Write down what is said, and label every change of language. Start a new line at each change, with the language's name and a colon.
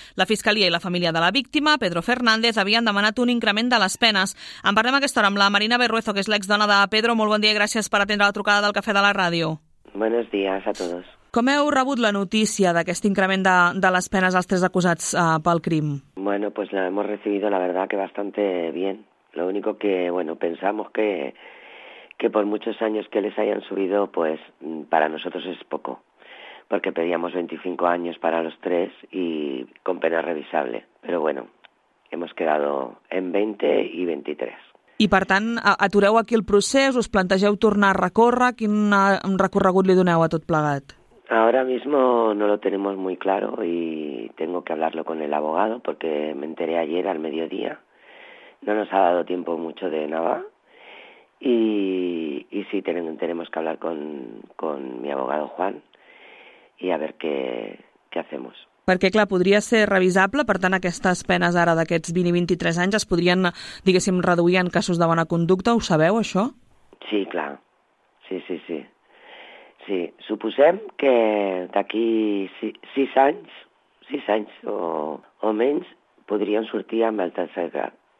Catalan: La Fiscalia i la família de la víctima, Pedro Fernández, havien demanat un increment de les penes. En parlem aquesta hora amb la Marina Berruezo, que és l'exdona de Pedro. Molt bon dia i gràcies per atendre la trucada del Cafè de la Ràdio.
Spanish: Buenos días a todos.
Catalan: Com heu rebut la notícia d'aquest increment de les penes als 3 acusats pel crim?
Spanish: Bueno, pues la hemos recibido, la verdad, que bastante bien. Lo único que, bueno, pensamos que por muchos años que les hayan subido, pues para nosotros es poco, porque pedíamos 25 años para los 3 y con pena revisable. Pero bueno, hemos quedado en 20 y 23.
Catalan: I, per tant, atureu aquí el procés, us plantegeu tornar a recórrer, quin recorregut li doneu a tot plegat?
Spanish: Ahora mismo no lo tenemos muy claro y tengo que hablarlo con el abogado porque me enteré ayer al mediodía. No nos ha dado tiempo mucho de nada y sí, tenemos que hablar con mi abogado Juan y a ver qué hacemos.
Catalan: Perquè, clar, podria ser revisable, per tant, aquestes penes ara d'aquests 20 i 23 anys es podrien, diguéssim, reduir en casos de bona conducta, ho sabeu, això? Sí, clar. Sí, sí, sí. Sí, suposem que d'aquí 6 anys o menys podríem sortir amb el tercer grau.